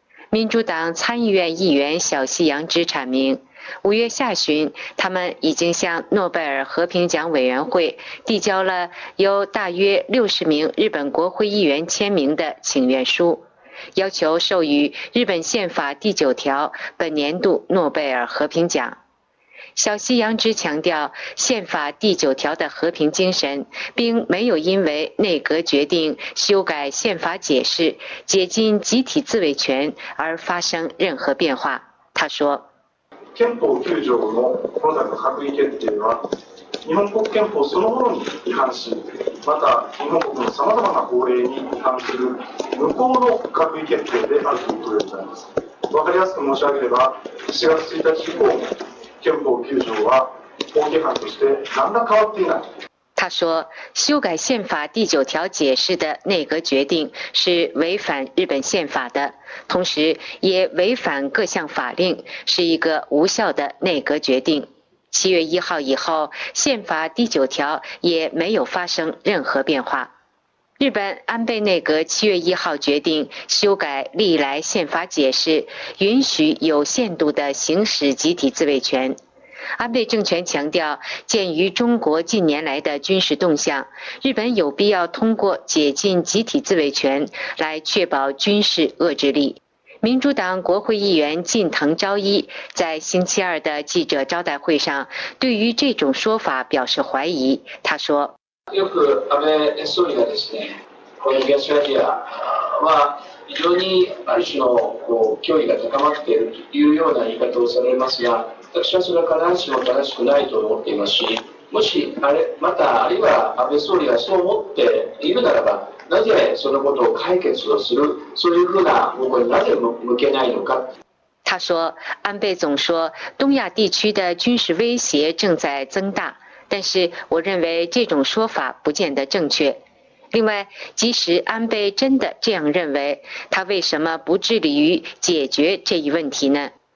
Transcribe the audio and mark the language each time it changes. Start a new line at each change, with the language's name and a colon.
Chinese: 民主党参议院议员小西洋之阐明，五月下旬他们已经向诺贝尔和平奖委员会递交了由大约60名日本国会议员签名的请愿书，要求授予日本宪法第九条本年度诺贝尔和平奖。小西洋之强调宪法第九条的和平精神，并没有因为内阁决定修改宪法解释解禁集体自卫权而发生任何变化。他说，
Japanese: 憲法9条の今回の閣議決定は日本国憲法そのものに違反し、また日本国のさまざまな法令に違反する無効の閣議決定であるということでございます。分かりやすく申し上げれば、7月1日以降憲法9条は法規範として何ら変わっていない。
Chinese: 他说，修改宪法第九条解释的内阁决定是违反日本宪法的，同时也违反各项法令，是一个无效的内阁决定。 7月1号以后，宪法第九条也没有发生任何变化。日本安倍内阁7月1号决定修改历来宪法解释，允许有限度地行使集体自卫权。安倍政权强调，鉴于中国近年来的军事动向，日本有必要通过解禁集体自卫权来确保军事遏制力。民主党国会议员近藤昭一在星期二的记者招待会上对于这种说法表示怀疑。他说，
Japanese: よく安倍総理がですね、この東アジアは非常にある種のこう脅威が高まっているというような言い方をされますが、私はそれは必ずしも正しくないと思っていますし、もしあれまたあるいは安倍総理がそう思っているならば、なぜそのことを解決をする、そういうふうな方向になぜ向けないのか。
Chinese: 他说，安倍总说东亚地区的军事威胁正在增大，但是我认为这种说法不见得正确。另外，即使安倍真的这样认为，他为什么不致力于解决这一问题呢？